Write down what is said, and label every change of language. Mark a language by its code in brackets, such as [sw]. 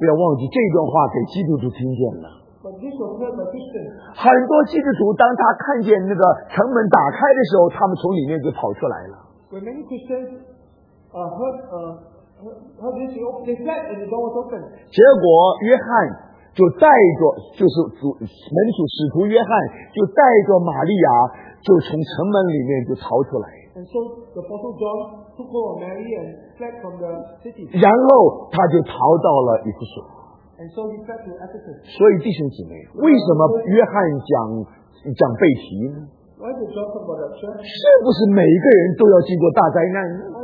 [zh] 不要忘记这段话给基督徒听见了。很多基督徒当他看见那个城门打开的时候，他们从里面就跑出来了。 [en] When many Christians heard this, they fled and the door was open. [zh] 结果约翰就带着，就是门徒使徒约翰就带着玛利亚就从城门里面就逃出来。 [en] And so the apostle John took hold of Mary and fled from the city. [zh] 然后他就逃到了以弗所。 [en] And so he fled to Ephesus. [zh] 所以弟兄姊妹，为什么约翰讲被提呢？ [en] Why did John talk about that? [zh] 是不是每一个人都要经过大灾难呢？